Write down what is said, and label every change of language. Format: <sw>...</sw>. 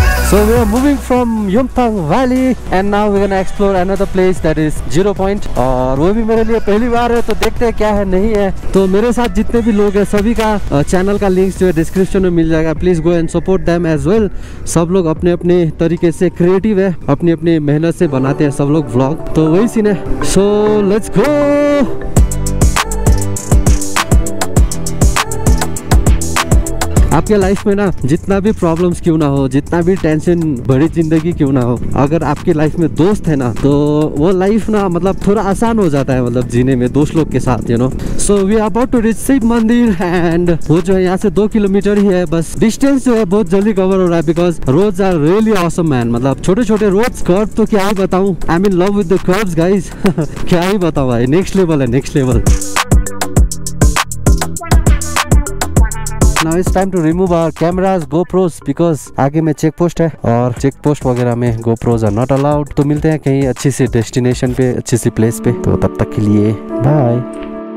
<en>So we are moving from Yumthang Valley and now we're gonna explore another place that is Zero Point.</en> <hi>और वो भी मेरे लिए पहली बार है, तो देखते हैं क्या है नहीं है। तो मेरे साथ जितने भी लोग हैं सभी का चैनल का लिंक जो है डिस्क्रिप्शन में मिल जाएगा,</hi> <en>Please go and support them as well.</en> <hi>सब लोग अपने अपने तरीके से क्रिएटिव है, अपनी अपनी मेहनत से बनाते हैं सब लोग व्लॉग, तो वही सीन है।</hi> <en>So let's go.</en> <hi>आपके लाइफ में ना जितना भी प्रॉब्लम्स क्यों ना हो, जितना भी टेंशन भरी जिंदगी क्यों ना हो, अगर आपके लाइफ में दोस्त है ना, तो वो लाइफ ना मतलब थोड़ा आसान हो जाता है, मतलब जीने में दोस्त लोग के साथ,</hi> <en>You know. So we are about to reach</en> <hi>Shiv मंदिर, एंड वो जो है यहाँ से 2 किलोमीटर ही है बस। डिस्टेंस जो है बहुत जल्दी कवर हो रहा है,</hi> <en>Because roads are really awesome man.</en> <hi>मतलब छोटे छोटे रोड्स, कर्व्स, तो क्या ही बताऊँ,</hi> <en>I am in love with the curves guys.</en> <hi>क्या ही बताऊँ भाई, नेक्स्ट लेवल है, next level.</hi> <en>Now it's time to remove our cameras, GoPros, because</en> <hi>आगे में चेक पोस्ट है, और चेक पोस्ट वगैरह में</hi> <en>GoPros are not allowed.</en> <hi>तो मिलते हैं कहीं अच्छी सी डेस्टिनेशन पे, अच्छी सी प्लेस पे, तो तब तक के लिए बाय।</hi>